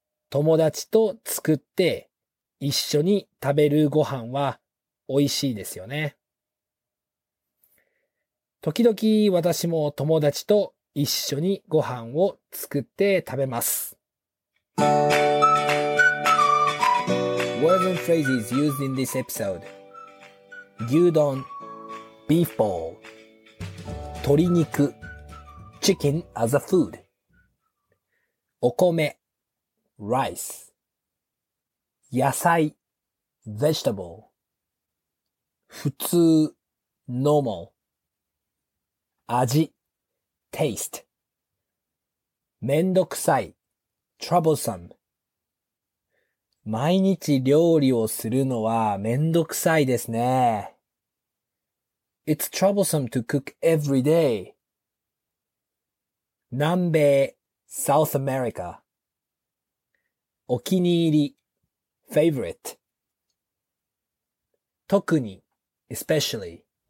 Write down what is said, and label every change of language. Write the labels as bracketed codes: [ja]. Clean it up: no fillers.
[ja] 友達と作って一緒に食べるご飯は美味しいですよね。時々私も友達と一緒にご飯を作って食べます。 [en] Words and phrases used in this episode: 牛丼 beef bowl 鶏肉 chicken as a food お米 rice 野菜 vegetable普通 normal 味 taste めんどくさい troublesome [ja] 毎日料理をするのはめんどくさいですね。 [en] It's troublesome to cook every day. 南米 South America お気に入り favorite [ja] 特に especially。